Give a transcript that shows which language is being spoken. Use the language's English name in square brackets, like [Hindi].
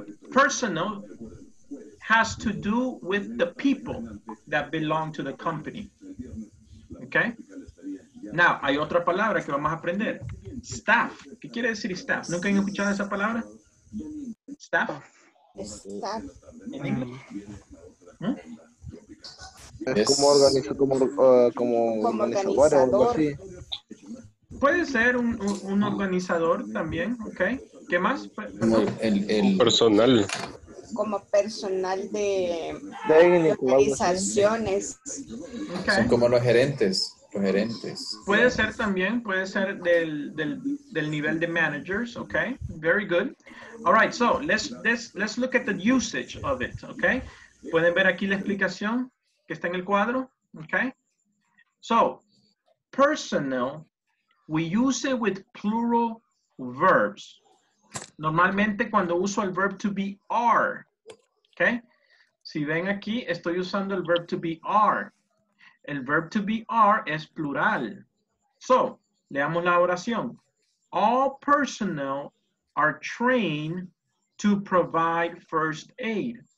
[English] Personal has to do with the people that belong to the company. Okay. [Spanish] Now, hay otra palabra que vamos a aprender. Staff. ¿Qué quiere decir staff? ¿Nunca han escuchado esa palabra? Staff. [English] Staff. [Spanish] En inglés. Es como organizador, como organizador, algo así. Puede ser un organizador también, ¿ok? ¿Qué más? El personal. Como personal de organizaciones. Okay. Son como los gerentes. Puede ser también, puede ser del nivel de managers, ¿ok? [English] Very good. All right, so let's look at the usage of it, okay? [Spanish] ¿Pueden ver aquí la explicación que está en el cuadro? [English] Okay. So, personal, we use it with plural verbs. [Spanish] Normalmente cuando uso el verb to be are, okay? Si ven aquí, estoy usando el verb to be are. El verb to be are es plural. [English] So, [Spanish] leamos la oración. [English] All personnel are trained to provide first aid.